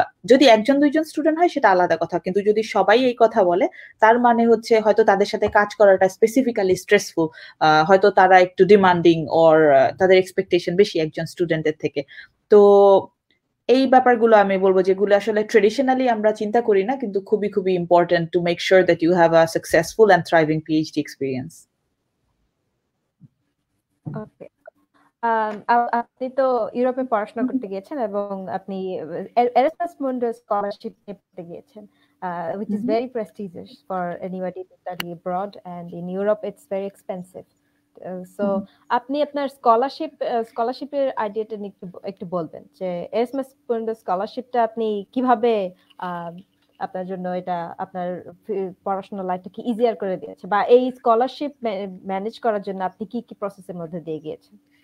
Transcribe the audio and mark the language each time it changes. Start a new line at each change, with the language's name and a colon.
Bangla: যদি একজন দুইজন স্টুডেন্ট হয় সেটা আলাদা কথা, কিন্তু যদি সবাই এই কথা বলে তার মানে হচ্ছে হয়তো তাদের সাথে কাজ করাটা স্পেসিফিক্যালি স্ট্রেসফুল, হয়তো তারা একটু ডিমান্ডিং অর তাদের এক্সপেকটেশন বেশি একজন স্টুডেন্টের থেকে। তো এই ব্যাপারগুলো আমি বলবো যেগুলো আসলে ট্রেডিশনালি আমরা চিন্তা করি না কিন্তু খুবই খুবই
English: Important to make sure that you have a successful and thriving PhD experience. Okay,
Bangla: আপনি তো ইউরোপে পড়াশোনা করতে গিয়েছেন এবং আপনি এরাসমাস মুন্ডাস স্কলারশিপ পেতে গিয়েছেন,
English: which is very prestigious for anybody to study abroad, and in Europe it's very expensive.
Bangla: So আপনি আপনার স্কলারশিপের আইডিয়াটা একটু একটু বলবেন যে এসএমএস পর্যন্ত স্কলারশিপটা আপনি কিভাবে আপনার জন্য এটা আপনার পড়াশোনা লাইফটাকে ইজিয়ার করে দিয়েছে বা এই স্কলারশিপ ম্যানেজ করার জন্য আপনি কি কি প্রসেসের মধ্যে দিয়ে গিয়েছেন?